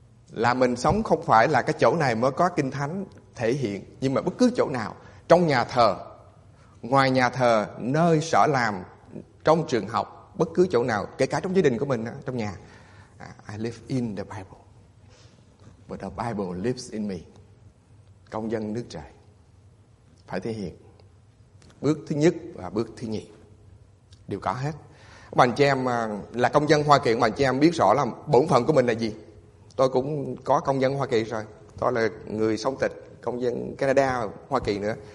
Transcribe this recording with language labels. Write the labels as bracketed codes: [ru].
[vi] Là mình sống không phải là cái chỗ này mới có kinh thánh thể hiện, nhưng mà bất cứ chỗ nào, trong nhà thờ, ngoài nhà thờ, nơi sở làm, trong trường học, bất cứ chỗ nào, kể cả trong gia đình của mình, trong nhà. [en] I live in the Bible, but the Bible lives in me. [vi] Công dân nước trời phải thể hiện bước thứ nhất và bước thứ nhì đều có hết. Các bạn chị em là công dân Hoa Kỳ, các bạn chị em biết rõ là bổn phận của mình là gì. Tôi cũng có công dân Hoa Kỳ rồi, tôi là người song tịch, công dân Canada, Hoa Kỳ nữa.